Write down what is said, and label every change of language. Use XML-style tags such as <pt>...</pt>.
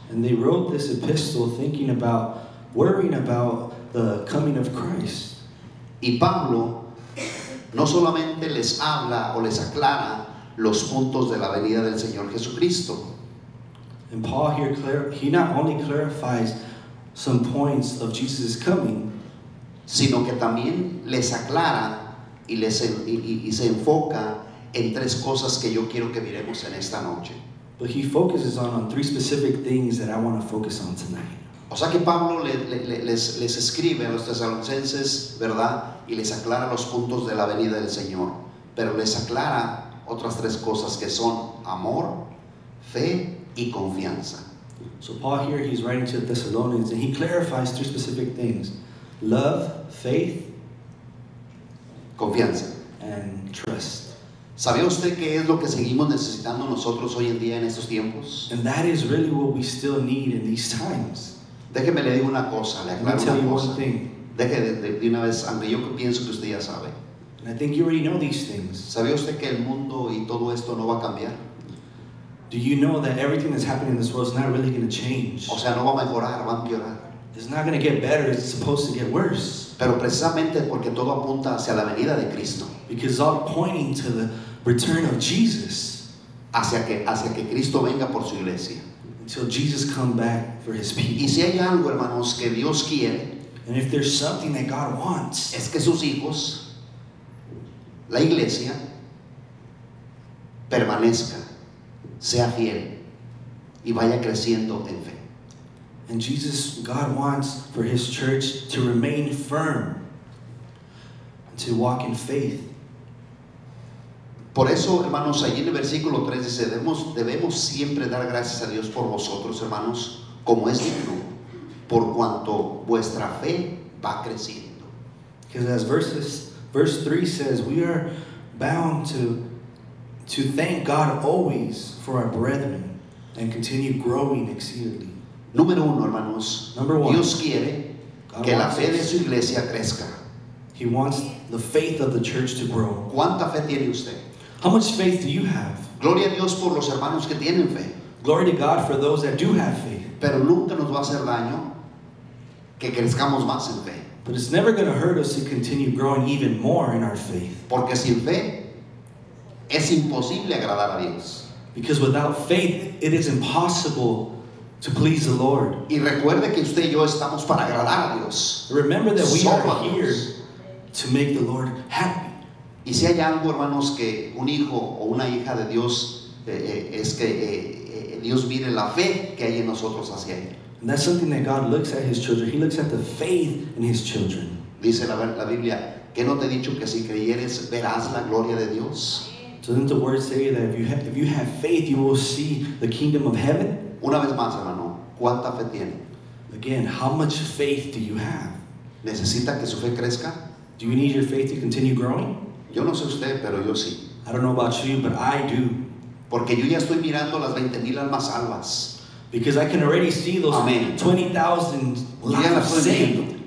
<en>And they wrote this epistle thinking about, worrying about the coming of Christ.</en> <es>Y Pablo no solamente les habla o les aclara los puntos de la venida del Señor Jesucristo.</es> <en>And Paul here he not only clarifies some points of Jesus' coming,</en> <es>sino que también les aclara y se enfoca en tres cosas que yo quiero que miremos en esta noche.</es> <en>But he focuses on three specific things that I want to focus on tonight.</en> <es>O sea que Pablo les escribe a los tesalonicenses, ¿verdad? Y les aclara los puntos de la venida del Señor. Pero les aclara otras tres cosas que son amor, fe y confianza.</es> <en>So Paul here, he's writing to the Thessalonians and he clarifies three specific things. Love, faith,</en> <es>confianza.</es> <en>And trust.</en> <es>¿Sabía usted qué es lo que seguimos necesitando nosotros hoy en día en estos tiempos?</es> <en>And that is really what we still need in these times.</en> <es>Déjeme le digo una cosa, le aclaro una cosa. Déjeme de una vez, aunque yo pienso que usted ya sabe.</es> <en>And I think you already know these things.</en> <es>¿Sabía usted que el mundo y todo esto no va a cambiar?</es> <en>Do you know that everything that's happening in this world is not really going to change?</en> <es>O sea, no va a mejorar, va a empeorar.</es> <en>It's not going to get better, it's supposed to get worse.</en> <es>Pero precisamente porque todo apunta hacia la venida de Cristo.</es> <en>Because all pointing to the return of Jesus.</en> <es>Hacia que Cristo venga por su iglesia.</es> <en>Until Jesus come back for his people.</en> <es>Y si hay algo, hermanos, que Dios quiere,</es> <en>and if there's something that God wants,</en> <es>es que sus hijos, la iglesia, permanezca, sea fiel, y vaya creciendo en fe.</es> <en>And Jesus, God wants for his church to remain firm, and to walk in faith.</en> <es>Por eso, hermanos, allí en el versículo 3 dice, debemos siempre dar gracias a Dios por vosotros, hermanos, como es digno, por cuanto vuestra fe va creciendo.</es> <en>Because as verse 3 says, we are bound to thank God always for our brethren and continue growing exceedingly.</en> <es>Número 1, hermanos.</es> <en>Number 1.</en> <es>Dios quiere God que la fe us. De su iglesia crezca.</es> <en>He wants the faith of the church to grow.</en> <es>¿Cuánta fe tiene usted?</es> <en>How much faith do you have?</en> <es>Gloria a Dios por los hermanos que tienen fe.</es> <en>Glory to God for those that do have faith.</en> <es>Pero nunca nos va a hacer daño que crezcamos más en fe.</es> <en>But it's never going to hurt us to continue growing even more in our faith.</en> <es>Porque sin fe es imposible agradar a Dios.</es> <en>Because without faith it is impossible to please the Lord.</en> <es>Y recuerde que usted y yo estamos para agradar a Dios.</es> <en>Remember that we are here to make the Lord happy.</en> <es>Y si hay algo, hermanos, que un hijo o una hija de Dios es que Dios mire la fe que hay en nosotros hacia él.</es> <en>And that's something that God looks at his children. He looks at the faith in his children.</en> <es>Dice la Biblia, ¿Qué no te he dicho que si creyeres verás la gloria de Dios?</es> <en>Doesn't the word say that if you have faith, you will see the kingdom of heaven?</en> <es>Una vez más, hermano, ¿cuánta fe tiene?</es> <en>Again, how much faith do you have?</en> <es>¿Necesita que su fe crezca?</es> <en>Do you need your faith to continue growing?</en> <es>Yo no sé usted, pero yo sí.</es> <en>I don't know about you, but I do.</en> <es>Porque yo ya estoy mirando las 20,000 almas salvas.</es> <en>Because I can already see those 20,000 lives saved.</en>